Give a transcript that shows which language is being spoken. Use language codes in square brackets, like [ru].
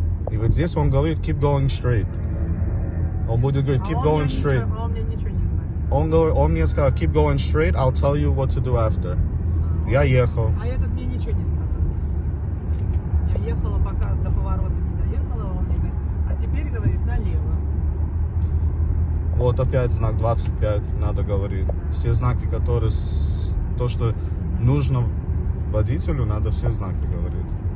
[ru] И вот здесь он говорит, [en] keep going straight. [ru] Он будет говорить, keep going straight. Он мне сказал, [en] keep going straight, I'll tell you what to do after. [ru] Я ехал. А этот мне ничего не сказал. Я ехала, пока до поворота не доехала, он мне говорит, а теперь говорит налево. Вот опять знак 25, надо говорить. Все знаки, которые, то, что нужно водителю, надо все знаки говорить.